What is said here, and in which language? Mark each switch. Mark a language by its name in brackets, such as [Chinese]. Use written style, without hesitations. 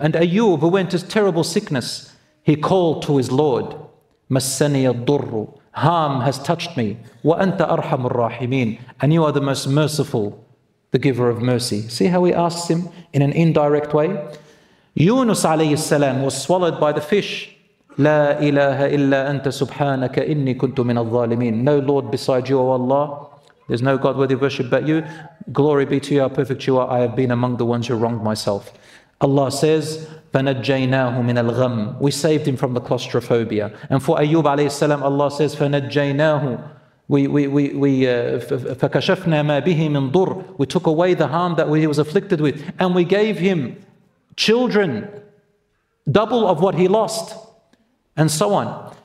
[English] And Ayyub, who went to terrible sickness, he called to his Lord, [Arabic] Massani ad-durru, [English] harm has touched me, [Arabic] wa anta arhamur rahimin, [English] and you are the most merciful, the giver of mercy. See how he asks him in an indirect way? Yunus alayhi salam was swallowed by the fish. [Arabic] لا إله إلا أنت سبحانك إني كنت من الظالمين. [English] No Lord beside you, O Allah. There's no God worthy of worship but you. Glory be to you, how perfect you are. I have been among the ones who wronged myself. Allah says, [Arabic] فَنَجَّيْنَاهُ مِنَ الْغَمِّ. [English] We saved him from the claustrophobia. And for Ayyub alayhi salam, Allah says, [Arabic] فَنَجَّيْنَاهُ. فَكَشَفْنَا مَا بِهِ مِنْ ضُرٍّ. [English] We took away the harm that he was afflicted with. And we gave him children, double of what he lost. And so on.